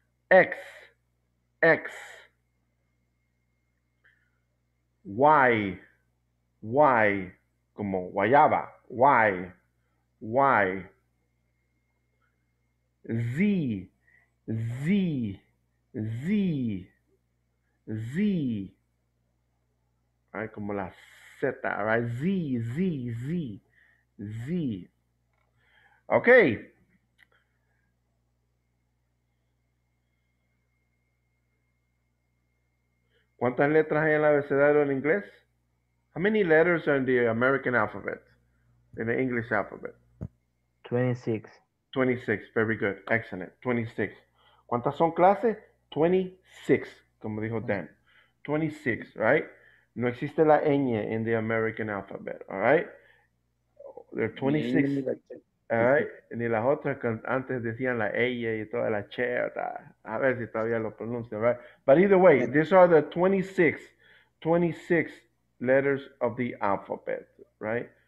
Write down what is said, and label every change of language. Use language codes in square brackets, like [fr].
[es] X, Y, como guayaba, Y, Z, right, como la Z, right? Z. Okay. ¿Cuántas letras hay en el abecedario en inglés? [en] How many letters are in the American alphabet, in the English alphabet? 26. 26, very good, excellent, 26. [es] ¿Cuántas son clases? 26, como dijo Dan. 26, right? No existe la ñ [en] in the American alphabet, all right? There are 26, all right? [es] Ni las otras, antes decían la ella y toda la che, a ver si todavía lo pronuncio, right? [en] But either way, these are the 26 letters of the alphabet, right?